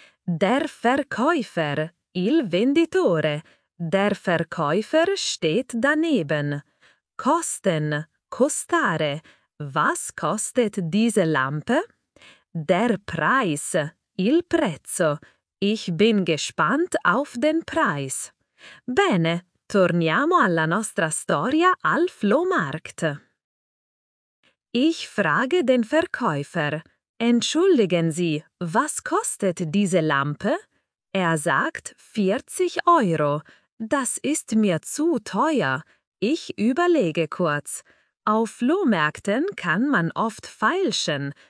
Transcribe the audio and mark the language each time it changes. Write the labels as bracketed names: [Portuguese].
[German] Der Verkäufer, [Italian] il venditore. [German] Der Verkäufer steht daneben. Kosten, [Italian] costare. [German] Was kostet diese Lampe? Der Preis, [Italian] il prezzo. [German] Ich bin gespannt auf den Preis. [Italian] Bene, torniamo alla nostra storia al Flohmarkt. [German] Ich frage den Verkäufer. Entschuldigen Sie, was kostet diese Lampe? Er sagt 40 Euro. Das ist mir zu teuer. Ich überlege kurz. Auf Flohmärkten kann man oft feilschen.